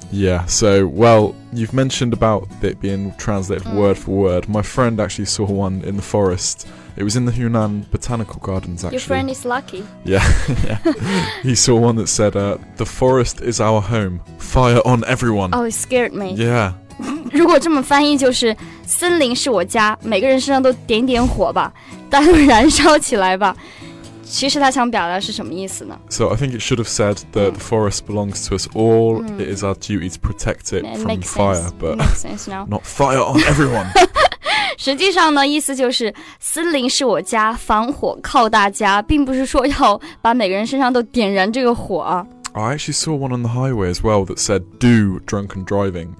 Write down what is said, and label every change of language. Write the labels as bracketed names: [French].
[English] Yeah. So well, you've mentioned about it being translated word for word. My friend actually saw one in the forest. It was in the Hunan Botanical Gardens. Actually, your friend is lucky. Yeah. Yeah. He saw one that said, "The forest is our home. Fire on everyone." Oh, it scared me. Yeah. [Chinese] 如果这么翻译就是森林是我家，每个人身上都点点火吧，大家都燃烧起来吧。其实他想表达是什么意思呢？ [English] So I think it should have said that the forest belongs to us all. It is our duty to protect it from fire, but not fire on everyone. [Chinese] 实际上呢，意思就是森林是我家，防火靠大家，并不是说要把每个人身上都点燃这个火啊。 [English] I actually saw one on the highway as well that said "do drunken driving."